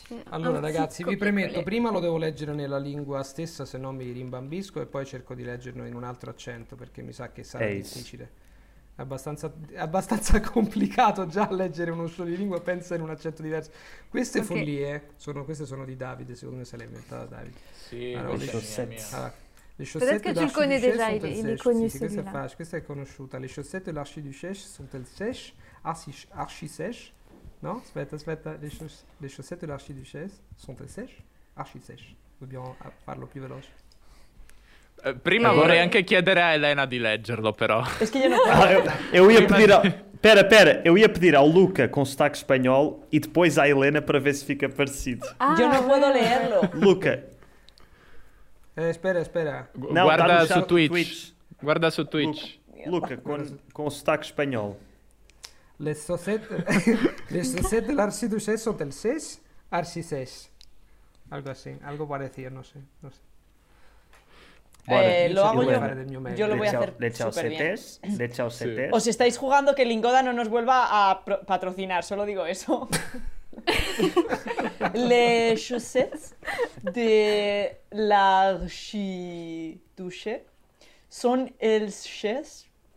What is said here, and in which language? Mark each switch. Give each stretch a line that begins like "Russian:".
Italian: Allora ragazzi, vi premetto, prima lo devo leggere nella lingua stessa, se no mi rimbambisco, e poi cerco di leggerlo in un altro accento, perché mi sa che sarà difficile. È abbastanza complicato già leggere uno solo di lingua, pensa in un accento diverso. Queste follie, queste sono di Davide, secondo me se l'ha inventata Davide. Sì, allora,
French: le chaussettes. Le chaussettes de l'arche du chèche sont elles sèches.
Italian: Questa è conosciuta.
French: Le chaussettes de l'arche du chèche sont elles sèches, archi sèches. No?
Italian: Aspetta,
French: le chaussettes de l'archiduchesse sont sèches? Archi sèches.
Italian: Dobbiamo farlo più veloce. Prima vorrei anche chiedere a Elena di leggerlo, però.
Spanish: Es que
Italian: io non posso.
Portuguese: Io ia pedir ao Luca com sotaque espanhol e depois a Elena para ver se fica parecido.
Italian: Ah, io non posso
Spanish: leerlo.
Italian: Luca.
Spanish: Espera.
Italian: No, guarda su Twitch. Guarda su Twitch.
Portuguese: Luca, com sotaque espanhol.
French: Les chaussettes de l'archiduchesse sont elles sèches, archi sèches.
Spanish: Algo así, algo parecido, no sé. Lo hago yo. Yo lo voy a hacer super bien. Le chao setes. Os estáis jugando que Lingoda no nos vuelva a patrocinar, solo digo eso.
French: Les chaussettes de l'archiduchesse sont elles sèches.